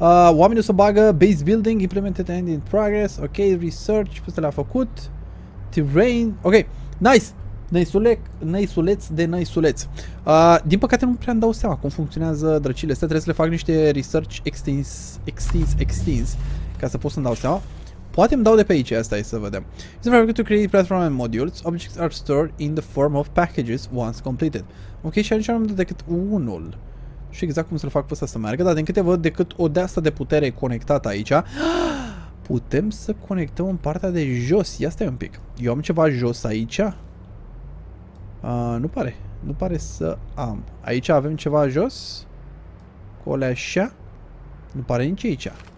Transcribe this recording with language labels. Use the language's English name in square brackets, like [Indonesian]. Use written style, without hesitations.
[Romanian] Oamenii o să bagă [English] base building implemented and in progress. [Romanian] Ok, research, pe ăsta le-a făcut. Terrain. Ok, nice. Naisuleț de naisuleț. Din păcate nu prea îmi dau seama cum funcționează drăcile astea. Trebuie să le fac niște research extins ca să pot să-mi dau seama. Poate îmi dau de pe aici, asta e, să vedem. [English] It's very good to create platform and modules. Objects are stored in the form of packages once completed. [Romanian] Ok, și aici am decât unul. Nu știu exact cum să-l fac pe ăsta să meargă, dar din câte văd, decât o deasta de putere conectată aici, putem să conectăm în partea de jos. Ia stai un pic. Eu am ceva jos aici? Nu pare. Nu pare să am. Aici avem ceva jos? Cole așa? Nu pare nici aici.